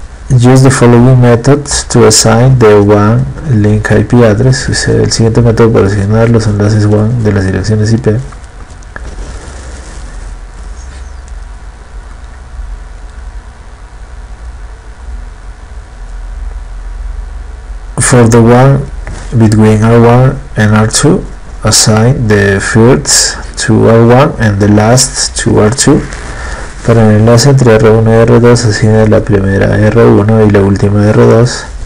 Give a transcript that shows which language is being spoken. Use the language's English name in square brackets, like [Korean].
[English] Use the following method to assign the WAN link IP address. [Spanish] Use el siguiente método para asignar los enlaces WAN de las direcciones IP. [English] For the WAN between R1 and R2, assign the first to R1 and the last to R2. [Spanish] Para el enlace entre R1 y R2, asigna la primera R1 y la última R2.